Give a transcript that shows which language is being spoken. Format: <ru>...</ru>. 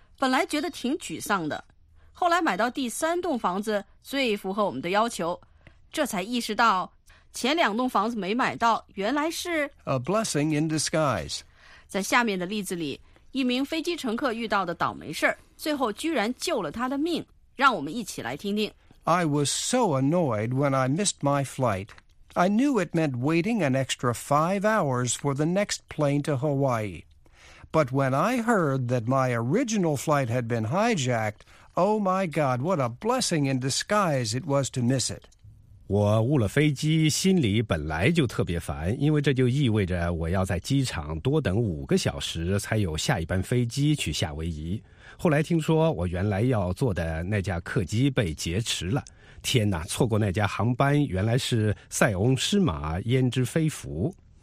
<zh>本来觉得挺沮丧的，后来买到第三栋房子最符合我们的要求，这才意识到前两栋房子没买到原来是</zh> <en>A blessing in disguise。</en> <zh>在下面的例子里，一名飞机乘客遇到的倒霉事最后居然救了他的命，让我们一起来听听。</zh> <en>I was so annoyed when I missed my flight. I knew it meant waiting an extra 5 hours for the next plane to Hawaii. But when I heard that my original flight had been hijacked, oh my God, what a blessing in disguise it was to miss it.</en> <zh>我误了飞机，心里本来就特别烦，因为这就意味着我要在机场多等5个小时才有下一班飞机去夏威夷。后来听说我原来要坐的那架客机被劫持了，天哪，错过那架航班原来是塞翁失马焉知非福。</zh>